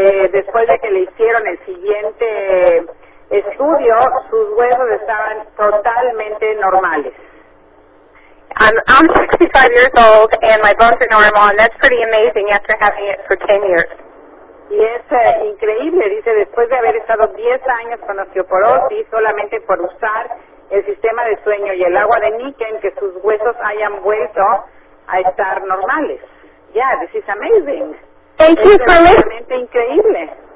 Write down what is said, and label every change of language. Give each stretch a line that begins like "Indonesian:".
Spanish: después de que le hicieron el siguiente estudio, sus huesos estaban totalmente normales.
English: I'm 65 years old and my bones are normal, and that's pretty amazing after having it for 10 years.
Spanish: Y es increíble, dice, después de haber estado 10 años con osteoporosis, solamente por usar el sistema de sueño y el agua de níquel, que sus huesos hayan vuelto a estar normales.
English: Yeah, this is amazing. Thank you for listening.
Spanish: Es realmente increíble.